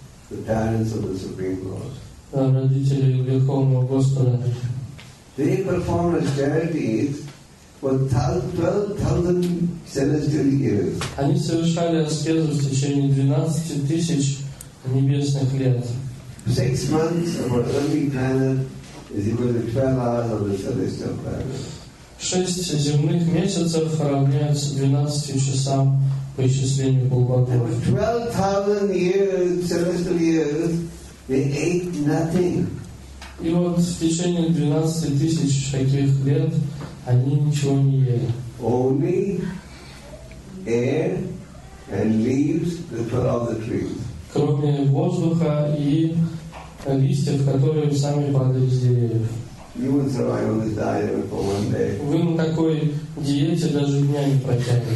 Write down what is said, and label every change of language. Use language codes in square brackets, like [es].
[en] The parents of the Supreme Lord. [ru] Родители Верховного Господа. [en] They perform austerities for 12,000 celestial years. [ru] Они совершали аскезу в течение 12,000 небесных лет. [en] 6 months of our earthly planet is equal to 12 hours of the celestial planet. [ru] 6 земных месяцев равняются 12 часам по исчислению Бхагавад-гиты. [en] For 12,000 years, celestial years, they ate nothing. [ru] И вот в течение 12,000 таких лет они ничего не ели. [en] Only air and leaves that of the trees. [ru] Кроме воздуха и листьев, которые сами падают с деревьев. [en] You would survive on this diet for one day. [ru] Вы на такой диете даже дня не протянете.